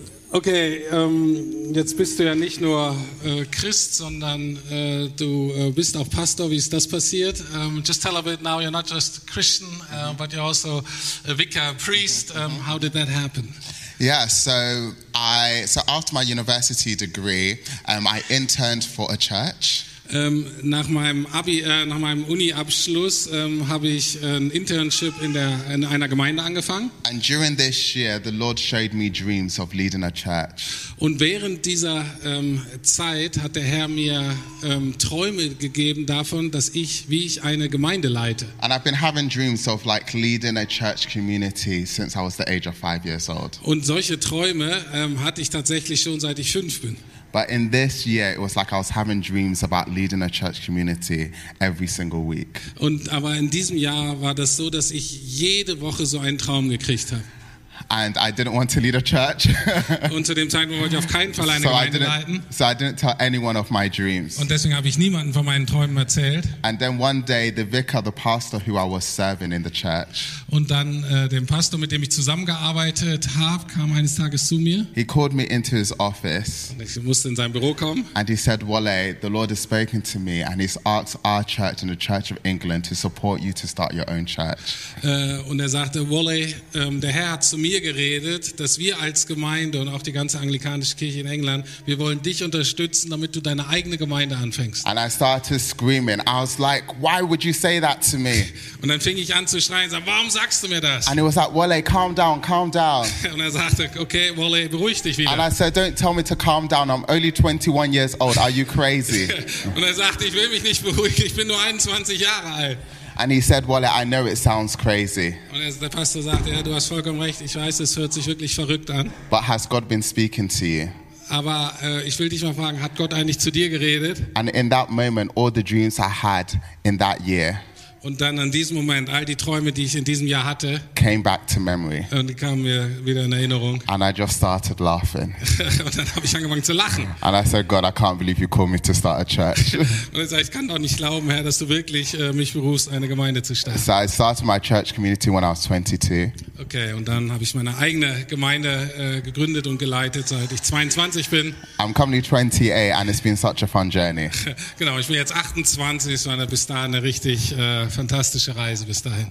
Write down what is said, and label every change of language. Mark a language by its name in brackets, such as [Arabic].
[German] Okay, jetzt bist du ja nicht nur Christ, sondern du bist auch Pastor. Wie ist das passiert? [English] Just tell a bit now, you're not just Christian, but you're also a vicar, a priest. How did that happen? Yeah, so after my university degree, I interned for a church. [German] Nach meinem Uni-Abschluss habe ich ein Internship in einer Gemeinde angefangen. [English] And during this year, the Lord showed me dreams of leading a church. [German] Und während dieser Zeit hat der Herr mir Träume gegeben davon, wie ich eine Gemeinde leite. [English] And I've been having dreams of like leading a church community since I was the age of 5 years old. [German] Und solche Träume hatte ich tatsächlich schon seit ich 5 bin. [English] But in this year, it was like I was having dreams about leading a church community every single week. [German] Aber in diesem Jahr war das so, dass ich jede Woche so einen Traum gekriegt habe. [English] And I didn't want to lead a church. [German] Und zu dem Zeitpunkt wollte ich auf keinen Fall eine Gemeinde leiten. [English] So I didn't tell anyone of my dreams. [German] Und deswegen habe ich niemanden von meinen Träumen erzählt. [English] And then one day the vicar, the pastor who I was serving in the church. [German] Und dann dem Pastor, mit dem ich zusammengearbeitet habe, kam eines Tages zu mir. [English] He called me into his office. [German] Und ich musste in sein Büro kommen. [English] And he said, Wole, the Lord has spoken to me and he's asked our church and the Church of England to support you to start your own church. [German] Und er sagte, Wole, der Herr hat zu mir geredet, dass wir als Gemeinde und auch die ganze anglikanische Kirche in England, wir wollen dich unterstützen, damit du deine eigene Gemeinde anfängst. [English] And I started screaming. I was like, why would you say that to me? [German] Und dann fing ich an zu schreien, sag, warum sagst du mir das? [English] And he was like, Wole, calm down, calm down. [German] Und er sagte, okay, Wole, beruhig dich wieder. [English] And I said, don't tell me to calm down. I'm only 21 years old. Are you crazy? [German] Und er sagte, ich will mich nicht beruhigen. Ich bin nur 21 Jahre alt. [English] And he said, Wole, I know it sounds crazy. [German] Und der Pastor sagte, ja, du hast vollkommen recht, ich weiß, es hört sich wirklich verrückt an. [English] But has God been speaking to you? [German] Aber ich will dich mal fragen, hat Gott eigentlich zu dir geredet? [English] And in that moment, all the dreams I had in that year. [German] Und dann an diesem Moment all die Träume, die ich in diesem Jahr hatte, [English] came back to memory. [German] Und die kamen mir wieder in Erinnerung. [English] And I just started laughing. [German] Und dann habe ich angefangen zu lachen. [English] And I said, God, I can't believe you called me to start a church. [German] Und ich sage, ich kann doch nicht glauben, Herr, dass du wirklich mich berufst, eine Gemeinde zu starten. [English] So I started my church community when I was 22. [German] Okay, und dann habe ich meine eigene Gemeinde gegründet und geleitet, seit ich 22 bin. [English] I'm currently 28 and it's been such a fun journey. [German] Genau, ich bin jetzt 28, es war bis dahin eine richtig fantastische Reise bis dahin.